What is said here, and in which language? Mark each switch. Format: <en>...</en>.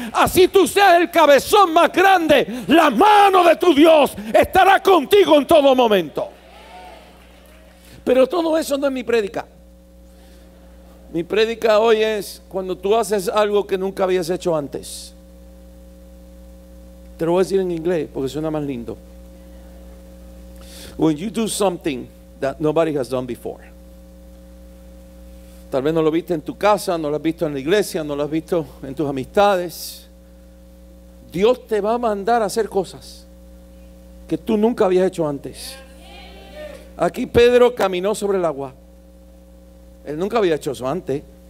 <es>Así tú seas el cabezón más grande, la mano de tu Dios estará contigo en todo momento. Pero todo eso no es mi prédica. Mi prédica hoy es cuando tú haces algo que nunca habías hecho antes. Te lo voy a decir en inglés porque suena más lindo.</es> <en>When you do something that nobody has done before.</en> <es>Tal vez no lo viste en tu casa, no lo has visto en la iglesia, no lo has visto en tus amistades. Dios te va a mandar a hacer cosas que tú nunca habías hecho antes. Aquí Pedro caminó sobre el agua. Él nunca había hecho eso antes.</es>